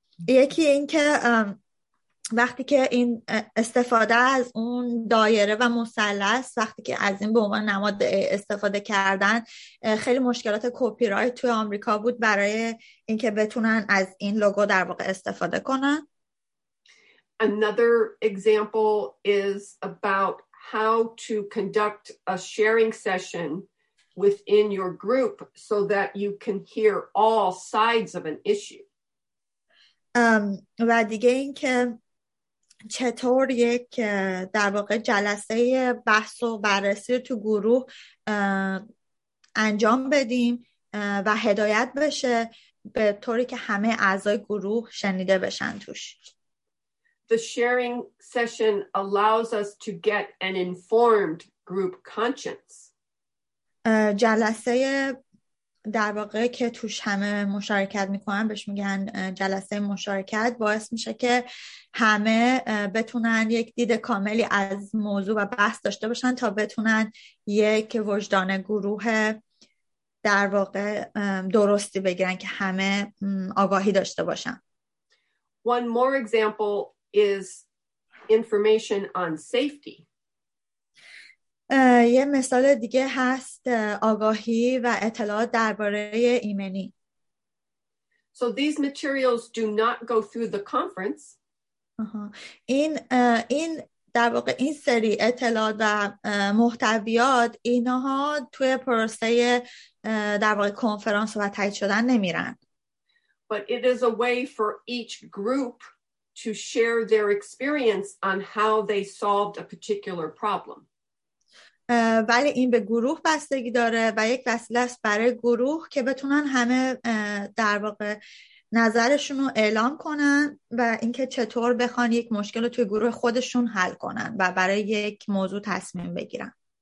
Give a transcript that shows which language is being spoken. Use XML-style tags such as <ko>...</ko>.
<fa>یکی این که وقتی که این استفاده از اون دایره و مثلث وقتی که از این به عنوان نماد استفاده کردن خیلی مشکلات کپی رایت توی آمریکا بود برای اینکه بتونن از این لوگو در واقع استفاده کنن.</fa> <en>Another example is about how to conduct a sharing session within your group so that you can hear all sides of an issue.</en> <fa>و دیگه این که چطور یک در واقع جلسه بحث و بررسی تو گروه انجام بدیم و هدایت بشه به طوری که همه اعضای گروه شنیده بشن توش.</fa> <en>The sharing session allows us to get an informed group conscience.</en> <fa>جلسه در واقع که توش همه مشارکت میکنن بهش میگن جلسه مشارکت باعث میشه که همه بتونن یک دید کاملی از موضوع و بحث داشته باشن تا بتونن یک وجدان گروه در واقع درستی بگیرن که همه آگاهی داشته باشن.</fa> <en>One more example is information on safety.</en> <fa>یه مثال دیگه هست آگاهی و اطلاعات درباره ایمنی.</fa> <en>So these materials do not go through the conference.</en> <fa>این در واقع این سری اطلاعات و محتویات اینها توی پروسه در واقع کنفرانس و تایید شدن نمیرن.</fa> <en>But it is a way for each group to share their experience on how they solved a particular problem.</en> <fa>ولی این به گروه بستگی داره و یک وسیله است برای گروه که بتونن همه در واقع نظرشون رو اعلام کنن و اینکه چطور بخوان یک مشکل رو توی گروه خودشون حل کنن و برای یک موضوع تصمیم بگیرن.</fa>